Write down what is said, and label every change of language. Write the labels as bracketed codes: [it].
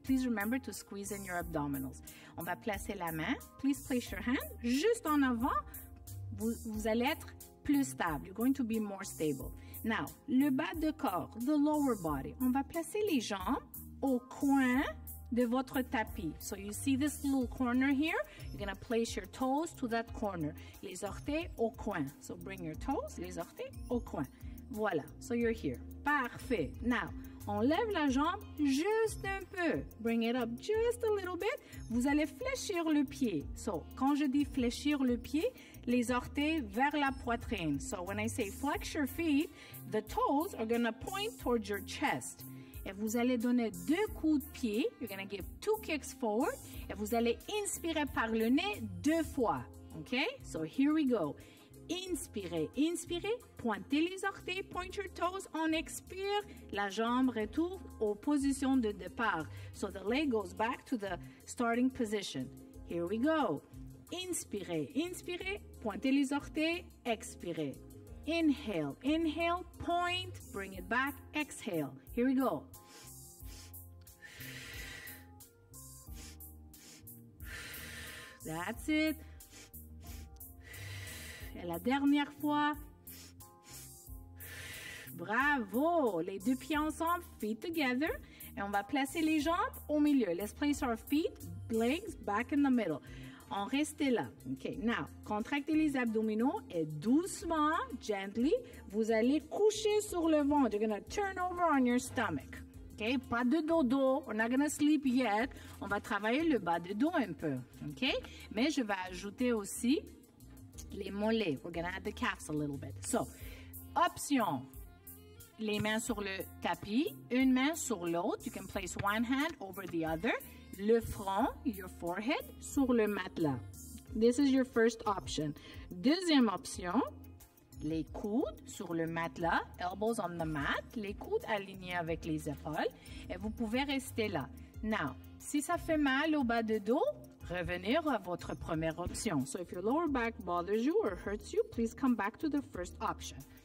[en] Please remember to squeeze in your abdominals. [fr] On va placer la main. [en] Please place your hand [fr] juste en avant. Vous allez être plus stable. [en] You're going to be more stable. Now, [fr] le bas de corps, [en] the lower body. [fr] On va placer les jambes au coin de votre tapis. [en] So you see this little corner here? You're going to place your toes to that corner. [fr] Les orteils au coin. [en] So bring your toes, [fr] les orteils au coin. Voilà. [en] So you're here. [fr] Parfait. Now, on lève la jambe juste un peu. [en] Bring it up just a little bit. [fr] Vous allez fléchir le pied. So, quand je dis fléchir le pied, les orteils vers la poitrine. [en] So when I say flex your feet, the toes are going to point towards your chest. [fr] Et vous allez donner deux coups de pied. [en] You're going to give two kicks forward. [fr] Et vous allez inspirer par le nez deux fois. [en] OK? So here we go. [fr] Inspirez, inspirez. Pointez les orteils. [en] Point your toes. [fr] On expire. La jambe retourne aux positions de départ. [en] So the leg goes back to the starting position. Here we go. [fr] Inspirez, inspirez. Pointez les orteils. Expirez. [en] Inhale, inhale, point, bring it back, exhale. Here we go. That's it. [fr] Et la dernière fois. Bravo! Les deux pieds ensemble, [en] feet together. [fr] Et on va placer les jambes au milieu. Let's place our feet, legs back in the middle. On reste là. OK. Now, contractez les abdominaux et doucement, gently, vous allez coucher sur le ventre. [en] You're going to turn over on your stomach. OK. [fr] Pas de dodo. [en] We're not going to sleep yet. [fr] On va travailler le bas de dos un peu. OK. Mais je vais ajouter aussi les mollets. [en] We're going to add the calves a little bit. So, option. [fr] Les mains sur le tapis, une main sur l'autre. [en] You can place one hand over the other. [fr] Le front, [en] your forehead, [fr] sur le matelas. [en] This is your first option. [fr] Deuxième option, les coudes sur le matelas, [en] elbows on the mat, [fr] les coudes alignés avec les épaules, et vous pouvez rester là. Now, si ça fait mal au bas de dos, revenez à votre première option. [en] So if your lower back bothers you or hurts you, please come back to the first option.